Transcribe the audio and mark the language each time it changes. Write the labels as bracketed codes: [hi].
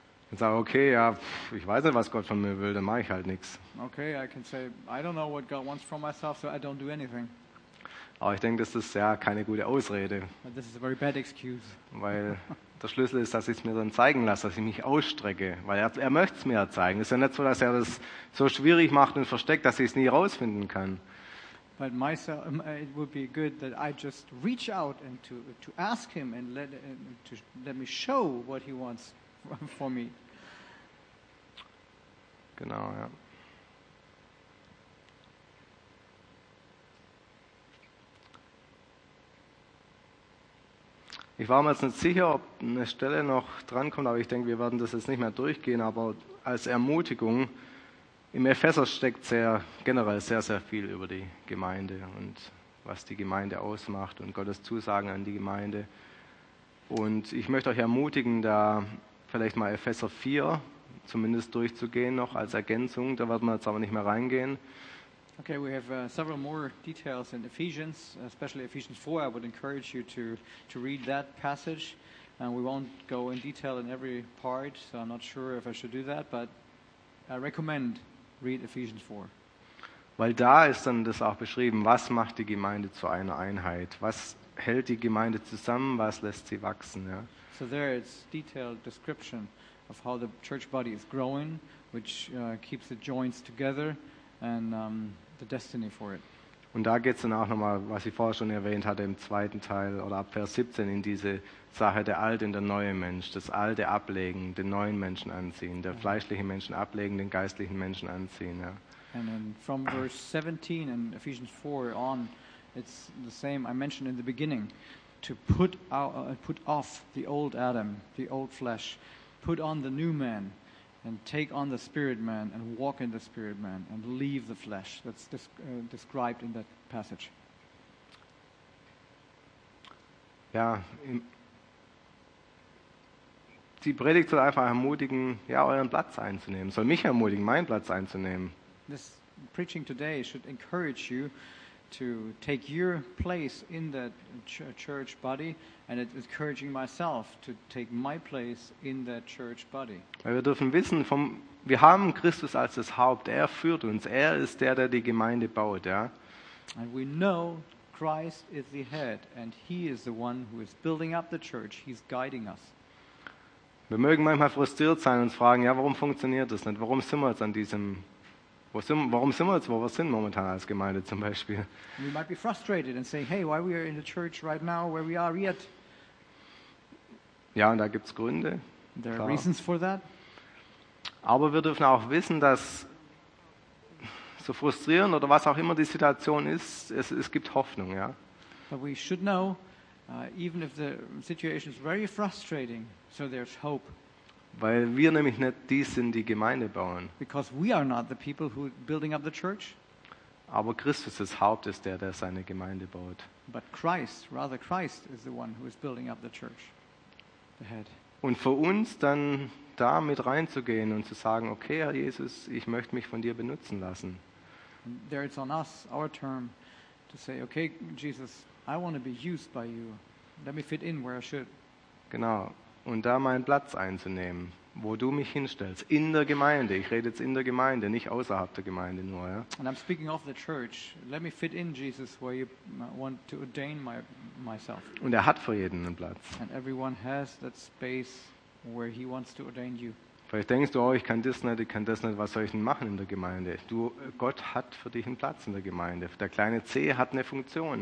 [de] Und sage, okay, ja, ich weiß nicht, was Gott von mir will, dann mache ich halt nichts. [en] Okay, I can say I don't know what God wants from myself, so I don't do anything. [de] Aber ich denke, das ist ja keine gute Ausrede. [en] But this is a very bad excuse. [de] Weil der Schlüssel ist, dass ich es mir dann zeigen lasse, dass ich mich ausstrecke. Weil er möchte es mir ja zeigen. Es ist ja nicht so, dass er das so schwierig macht und versteckt, dass ich es nie rausfinden kann. [en] But myself, it would be good that I just reach out and to ask him and let me show what he wants for me. [de] Genau, ja. Ich war mir jetzt nicht sicher, ob eine Stelle noch drankommt, aber ich denke, wir werden das jetzt nicht mehr durchgehen. Aber als Ermutigung, im Epheser steckt sehr generell sehr, sehr viel über die Gemeinde und was die Gemeinde ausmacht und Gottes Zusagen an die Gemeinde. Und ich möchte euch ermutigen, da vielleicht mal Epheser 4 zumindest durchzugehen noch als Ergänzung. Da werden wir jetzt aber nicht mehr reingehen. [en] Okay, we have several more details in Ephesians, especially Ephesians 4. I would encourage you to read that passage. And we won't go in detail in every part, so I'm not sure if I should do that, but I recommend read Ephesians 4. [de] Weil da ist dann das auch beschrieben, was macht die Gemeinde zu einer Einheit? Was hält die Gemeinde zusammen? Was lässt sie wachsen? Ja? [en] So there is detailed description of how the church body is growing, which keeps the joints together. And the destiny for it. [de] Und da geht es dann auch nochmal, was ich vorher schon erwähnt hatte, im zweiten Teil oder ab Vers 17 in diese Sache, der alte und der neue Mensch, das alte ablegen, den neuen Menschen anziehen, der fleischliche Menschen ablegen, den geistlichen Menschen anziehen. Ja. [en] And then from verse 17 in Ephesians 4 on, it's the same I mentioned in the beginning, to put off the old Adam, the old flesh, put on the new man. And take on the spirit man and walk in the spirit man and leave the flesh. That's described in that passage. [de] Ja, die Predigt soll einfach ermutigen, ja, euren Platz einzunehmen. Soll mich ermutigen, meinen Platz einzunehmen. [en] This preaching today should encourage you to take your place in that church body, and it's encouraging myself to take my place in that church body. [de] Weil wir dürfen wissen, wir haben Christus als das Haupt, er führt uns, er ist der die Gemeinde baut, ja. [en] And we know Christ is the head, and he is the one who is building up the church, he's guiding us. [de] Wir mögen manchmal frustriert sein und fragen, ja, warum funktioniert das nicht, warum sind wir jetzt an diesem... Warum sind wir jetzt, wo wir sind momentan als Gemeinde zum Beispiel? [en] We might be frustrated and say, hey, why we are in the church right now, where we are yet? [de] Ja, und da gibt es Gründe. [en] There are reasons for that. [de] Aber wir dürfen auch wissen, dass so frustrierend oder was auch immer die Situation ist, es gibt Hoffnung, ja. [en] But we should know, even if the situation is very frustrating, so there's hope. [de] Weil wir nämlich nicht die sind, die Gemeinde bauen. [en] Because we are not the people who are building up the church. [de] Aber Christus das Haupt ist der seine Gemeinde baut. [en] But Christ, rather Christ is the one who is building up the church. The head. [de] Und für uns dann da mit reinzugehen und zu sagen, okay, Herr Jesus, ich möchte mich von dir benutzen lassen. [en] And there it's on us, our term, to say, okay, Jesus, I want to be used by you. Let me fit in where I should. [de] Genau. Und da meinen Platz einzunehmen, wo du mich hinstellst, in der Gemeinde. Ich rede jetzt in der Gemeinde, nicht außerhalb der Gemeinde nur. Ja. [en] And I'm speaking of the church. Let me fit in, Jesus, where you want to ordain myself. [de] Und er hat für jeden einen Platz. [en] And everyone has that space where he wants to ordain you. [de] Vielleicht denkst du, oh, ich kann das nicht, was soll ich denn machen in der Gemeinde? Gott hat für dich einen Platz in der Gemeinde. Der kleine C hat eine Funktion.